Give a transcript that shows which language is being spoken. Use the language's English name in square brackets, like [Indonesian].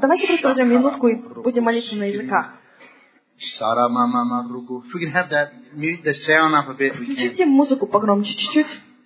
[Russian] Давайте просто возьмем минутку и будем молиться на языках. [English] If we can have that, mute the sound up a bit. [Russian] Включите музыку погромче чуть-чуть.